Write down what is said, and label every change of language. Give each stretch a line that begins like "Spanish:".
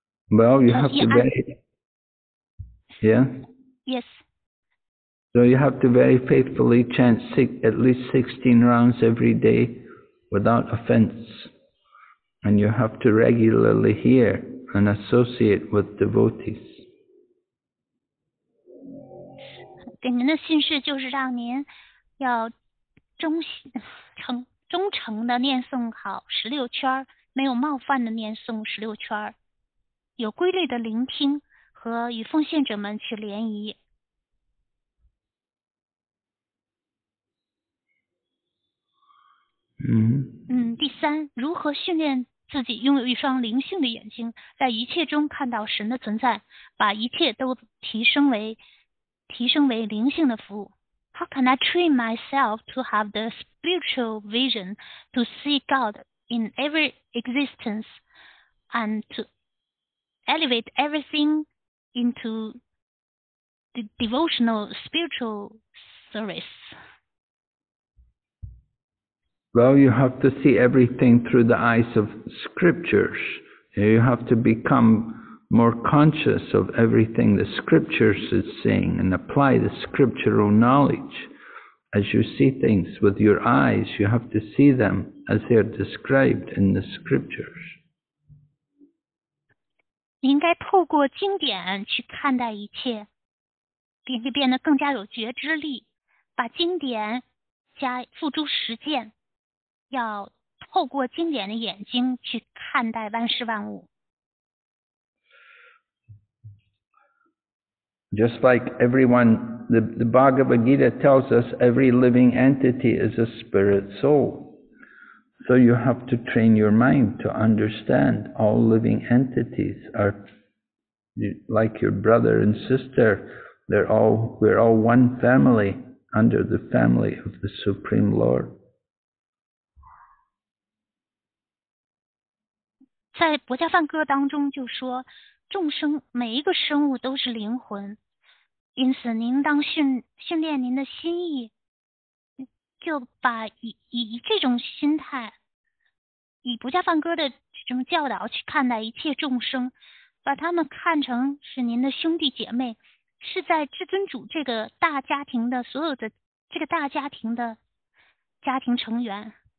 English: Well, you have to very... Yeah? Yes. So you have to very faithfully chant at least 16 rounds every day without offense. And you have to regularly hear and associate with devotees.
Chinese: 给您的训示就是让您要忠诚的念诵好十六圈，没有冒犯的念诵十六圈，有规律的聆听和与奉献者们去联谊。第三，如何训练自己拥有一双灵性的眼睛，在一切中看到神的存在，把一切都提升为灵性的服务。
English: How can I train myself to have the spiritual vision to see God in every existence and to elevate everything into the devotional spiritual service? Well, you have to see everything through the eyes of scriptures. You have to become more conscious of everything the scriptures is saying and apply the scriptural knowledge. As you see things with your eyes, you have to see them as they are described in the scriptures.
Chinese: 你应该透过经典去看待一切，并且变得更加有觉知力，把经典加付诸实践，要透过经典的眼睛去看待万事万物。
English: Just like everyone, the Bhagavad Gita tells us every living entity is a spirit soul. So you have to train your mind to understand all living entities are like your brother and sister. We're all one family under the family of the Supreme Lord.
Chinese: 在《薄伽梵歌》当中就说，众生每一个生物都是灵魂。因此您当训练您的心意，就把以这种心态，以不加放歌的这种教导去看待一切众生，把他们看成是您的兄弟姐妹，是在至尊主这个大家庭的所有的这个大家庭的家庭成员。